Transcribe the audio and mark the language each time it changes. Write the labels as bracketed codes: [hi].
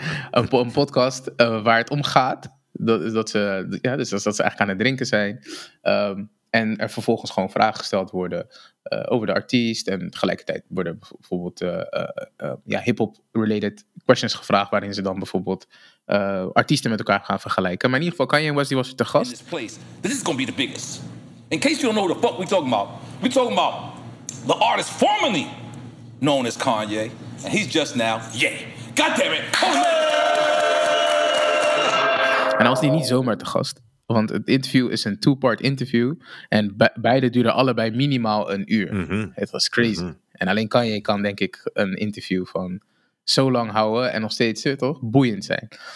[nl] een podcast waar het om gaat. Dat ze eigenlijk aan het drinken zijn. En er vervolgens gewoon vragen gesteld worden over de artiest. En tegelijkertijd worden bijvoorbeeld [en] hip-hop related questions [nl] gevraagd. Waarin ze dan bijvoorbeeld artiesten met elkaar gaan vergelijken. Maar in ieder geval, Kanye West die was te gast. [en] In this place, this is going to be the biggest. In case you don't know what the fuck we're talking about. We're talking about the artist formerly known as Kanye, and he's just now Ye. God damn it! Oh, [nl] en als die niet zomaar te gast. Want het interview is een two-part interview. En beide duren allebei minimaal een uur. Mm-hmm. Het was crazy. Mm-hmm. En alleen Kanye kan denk ik een interview van zo lang houden. En nog steeds toch boeiend zijn.